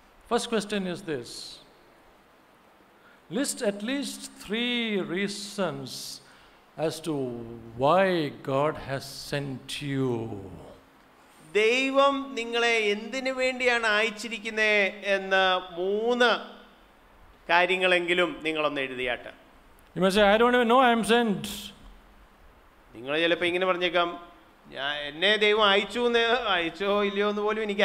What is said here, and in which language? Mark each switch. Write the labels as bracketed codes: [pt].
[en] First question is this, list at least 3 reasons as to why God has sent you. [ml] ദൈവം നിങ്ങളെ എന്തിനു വേണ്ടിയാണ് അയച്ചിരിക്കുന്നത് എന്ന 3 കാര്യങ്ങളെങ്കിലും നിങ്ങൾ ഒന്ന് എഴുതിയാട്ടെ. [en] You may say, I don't even know I am sent. [ml] നിങ്ങൾ ചിലപ്പോൾ ഇങ്ങനെ പറഞ്ഞേക്കാം, എന്നെ ദൈവം അയച്ചു എന്ന് അയച്ചോ ഇല്ലയോ എന്ന് പോലും എനിക്ക്